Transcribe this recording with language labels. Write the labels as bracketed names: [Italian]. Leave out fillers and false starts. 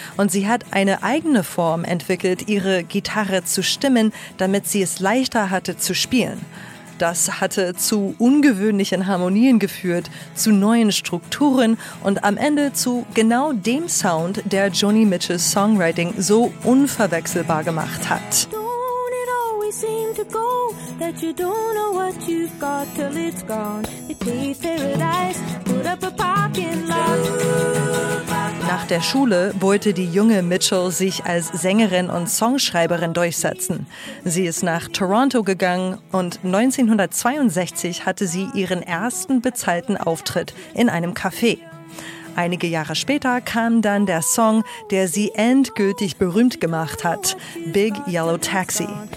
[German] Und sie hat eine eigene Form entwickelt, ihre Gitarre zu stimmen, damit sie es leichter hatte zu spielen. Das hatte zu ungewöhnlichen Harmonien geführt, zu neuen Strukturen und am Ende zu genau dem Sound, der Joni Mitchells Songwriting so unverwechselbar gemacht hat. [English] Don't it always seem to go that you don't know what you've got till it's gone? They pay paradise, put up a parking lot. [German] Nach der Schule wollte die junge Mitchell sich als Sängerin und Songschreiberin durchsetzen. Sie ist nach Toronto gegangen und 1962 hatte sie ihren ersten bezahlten Auftritt in einem Café. Einige Jahre später kam dann der Song, der sie endgültig berühmt gemacht hat, Big Yellow Taxi.